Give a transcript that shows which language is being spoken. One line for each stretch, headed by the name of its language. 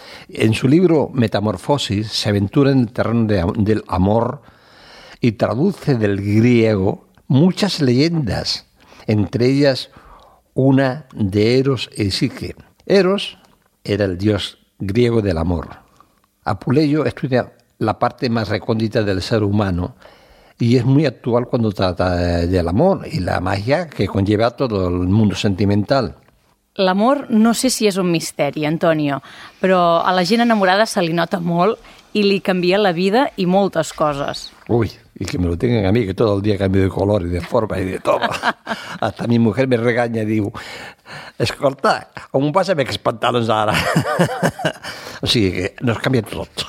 Spanish: En su libro Metamorfosis se aventura en el terreno del amor y traduce del griego muchas leyendas, entre ellas una de Eros y Psique. Eros era el dios griego del amor. Apuleio estudia la parte más recóndita del ser humano y es muy actual cuando trata del amor y la magia que conlleva todo el mundo sentimental.
Catalan: L'amor no sé si és un misteri, Antonio, però a la gent enamorada se li nota molt i li canvia la vida i moltes coses.
Spanish: Ui, y que me lo tengan a mí, que todo el día cambio de color y de forma y de todo. Hasta mi mujer me regaña y digo,
Catalan: escolta,
Spanish: aún pásame que espantalos ahora. O sea, que nos cambia todo.